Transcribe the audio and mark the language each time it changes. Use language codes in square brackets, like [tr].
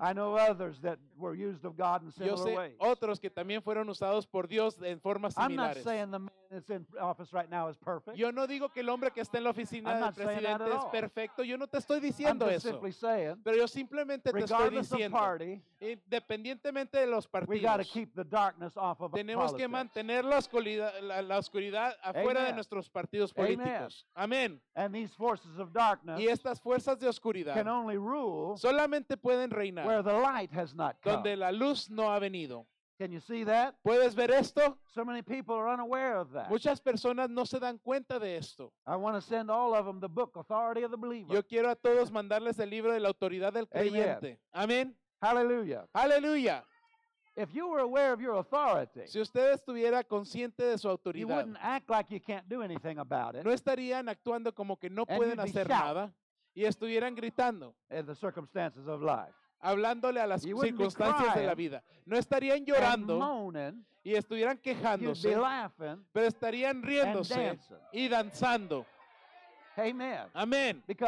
[en] I know others that were used of God in similar [es] Yo sé [en] ways. [es] Otros que también fueron usados por Dios en formas similares. [en] I'm not saying the man that's in office right now is perfect. [es] Yo no digo que el hombre que está en la oficina del presidente es perfecto. Yo no te estoy diciendo [en] I'm just [es] eso. [en] Simply saying, [es] Pero yo simplemente te estoy diciendo. [en] Of party, [es] independientemente de los partidos. [en] We got to keep the darkness off of [es] tenemos que mantener la oscuridad afuera [en] Amen. [es] De nuestros partidos políticos. [en] Amen. Amen. And these forces of darkness. [es] Y este estas fuerzas de oscuridad [en] can only rule [es] solamente pueden reinar [en] where the light has not come. [es] Donde la luz no ha venido. [en] Can you see that? [es] ¿Puedes ver esto? [en] So many people are unaware of that. [es] Muchas personas no se dan cuenta de esto. [en] I want to send all of them the book, Authority of the Believer. [es] Yo quiero a todos mandarles el libro de la autoridad del creyente. Amén. [en] Hallelujah. Hallelujah. If you were aware of your authority, [es] si usted estuviera consciente de su autoridad, [en] you wouldn't act like you can't do anything about it. [es] No estarían actuando como que no pueden hacer nada y estuvieran gritando. [en] In the circumstances of life. [es] Hablándole a las circunstancias de la vida. No estarían llorando y estuvieran quejándose, pero estarían riéndose y danzando. Amén.